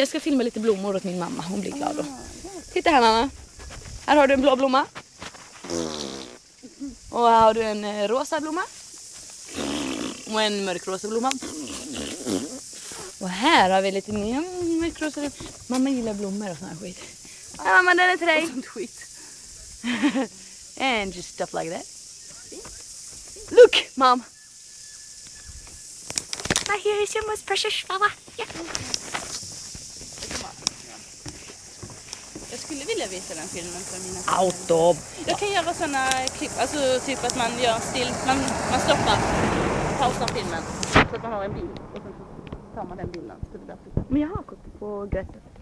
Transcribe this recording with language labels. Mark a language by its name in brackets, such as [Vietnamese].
[Swedish] Jag ska filma lite blommor åt min mamma. Hon blir glad då. Titta här, mamma. Här har du en blå blomma. Och här har du en rosa blomma. Och en mörkrosa blomma. Och här har vi lite nya mörkrosa. Mamma gillar blommor och sån här skit. Ja, mamma, den är till dig. Och sånt skit. [English] And just stuff like that. Look, mom. My hair is your most precious flower. Yeah. [Swedish] Jag skulle vilja visa den filmen för mina auto. Jag kan göra såna klipp, alltså typ att man gör still, man stoppar, pausar filmen så att man har en bild och sen så tar man den bilden. Men jag har kort på Greta.